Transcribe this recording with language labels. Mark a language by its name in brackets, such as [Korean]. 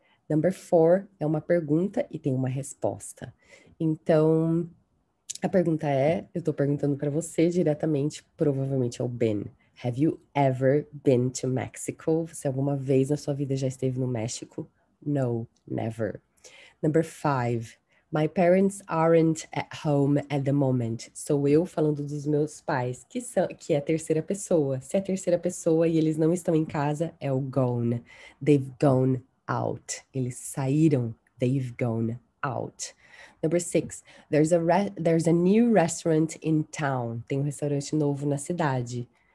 [English] Number four [Portuguese] é uma pergunta e tem uma resposta. Então, a pergunta é: eu tô perguntando para você diretamente, provavelmente é o been. [English] Have you ever been to Mexico? [Portuguese] Você alguma vez na sua vida já esteve no México? [English] No, never. Number five. My parents aren't at home at the moment. [Portuguese] Sou eu falando dos meus pais, que é a terceira pessoa. Se é a terceira pessoa e eles não estão em casa, é o gone. [English] They've gone out. [Portuguese] Eles saíram. [English] They've gone out. Number six. There's a new restaurant in town. [Portuguese] Tem um restaurante novo na cidade.